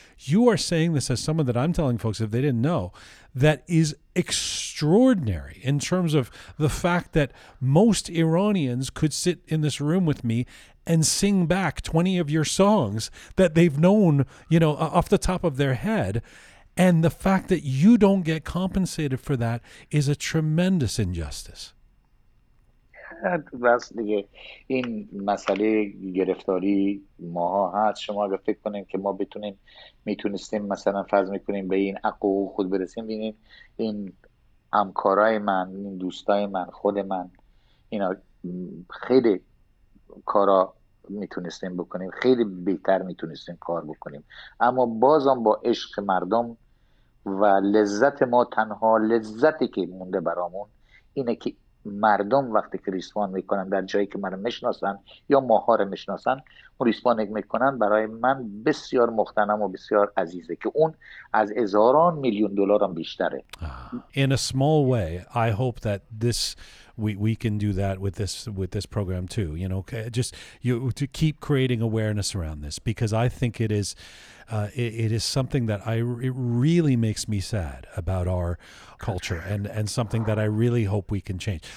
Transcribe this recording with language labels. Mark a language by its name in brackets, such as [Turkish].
[English] You are saying this as someone that I'm telling folks, if they didn't know, that is extraordinary in terms of the fact that most Iranians could sit in this room with me and sing back 20 of your songs that they've known, you know, off the top of their head. And the fact that you don't get compensated for that is a tremendous injustice. [Persian] بس دیگه این مسئله گرفتاری ماها هست. شما اگه فکر کنین که ما بتونیم میتونستیم مثلا فرض میکنیم به این عقوق خود برسیم، بینید این همکارای من، این دوستای من، خود من، اینا خیلی کارا میتونستیم بکنیم، خیلی بهتر میتونستیم کار بکنیم. اما بازم با عشق مردم و لذت ما، تنها لذتی که مونده برامون اینه که مردم وقتی که ریسپان میکنن در جایی که من رو میشناسن یا ماها رو میشناسن، اون ریسپان میکنن، برای من بسیار مختنم و بسیار عزیزه که اون از هزاران میلیون دلار هم بیشتره. [English] In a small way, I hope that this we can do that with this program too. You know, just you to keep creating awareness around this, because I think it is it is something that it really makes me sad about our culture, and something that I really hope we can change.